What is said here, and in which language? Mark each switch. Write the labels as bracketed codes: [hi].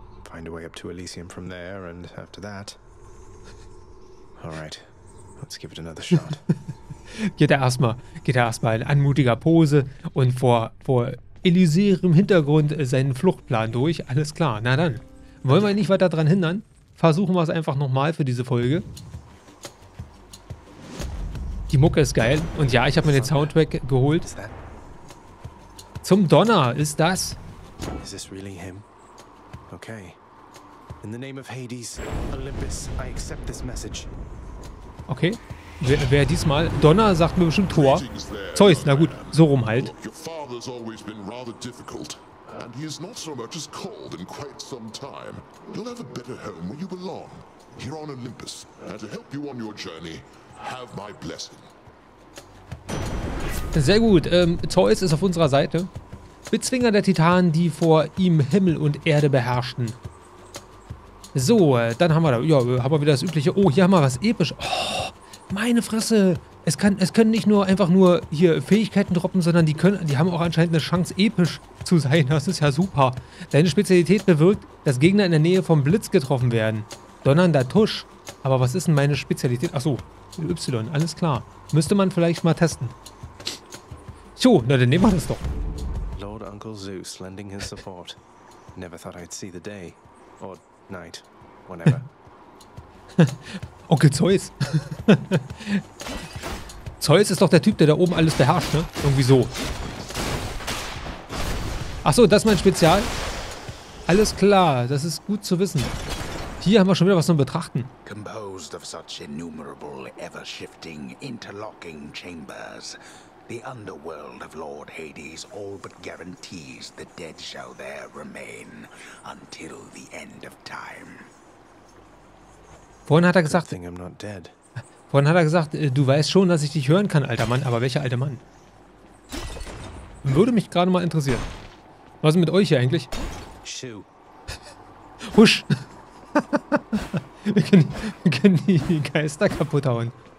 [en] Find a way up to Elysium from there, and after that. Alright, let's give it another shot. [de] geht er erstmal in anmutiger Pose und vor Elysium Hintergrund seinen Fluchtplan durch. Alles klar, na dann. Wollen wir nicht weiter dran hindern? Versuchen wir es einfach nochmal für diese Folge. Die Mucke ist geil. Und ja, ich habe mir den Soundtrack geholt. Zum Donner, ist das? Ist das wirklich er? [en] Okay. In the name of Hades, Olympus, I accept this message. [de] Okay. Wer diesmal? Donner sagt mir bestimmt Thor. Zeus, na gut, so rum halt. [en] Your father has always been rather difficult. And he is not so much as called in quite some time. You'll have a better home where you belong, here on Olympus. And to help you on your journey, have my blessing. [de] Sehr gut. Zeus ist auf unserer Seite. Bezwinger der Titanen, die vor ihm Himmel und Erde beherrschten. So, dann haben wir da. Ja, haben wir wieder das übliche. Oh, hier haben wir was episch. Oh, meine Fresse. Es können nicht nur einfach nur hier Fähigkeiten droppen, sondern die haben auch anscheinend eine Chance, episch zu sein. Das ist ja super. Deine Spezialität bewirkt, dass Gegner in der Nähe vom Blitz getroffen werden. Donnernder Tusch. Aber was ist denn meine Spezialität? Achso, Y, alles klar. Müsste man vielleicht mal testen. Tjo, na dann nehmen wir das doch. [en] Lord Uncle Zeus lending his support. Never thought I'd see the day. Or night. Whenever. [de] Onkel Zeus. Zeus ist doch der Typ, der da oben alles beherrscht, ne? Irgendwie so. Achso, das ist mein Spezial. Alles klar, das ist gut zu wissen. Hier haben wir schon wieder was zum Betrachten. [en] Composed of such innumerable, ever-shifting, interlocking chambers, the underworld of Lord Hades all but guarantees the dead shall there remain until the end of time. [de] Vorhin hat er gesagt, [en] I'm not dead. [de] Vorhin hat er gesagt, du weißt schon, dass ich dich hören kann, alter Mann, aber welcher alte Mann? Würde mich gerade mal interessieren. Was ist mit euch hier eigentlich? [en] Shoo. [de] Husch! Wir können die Geister kaputt hauen.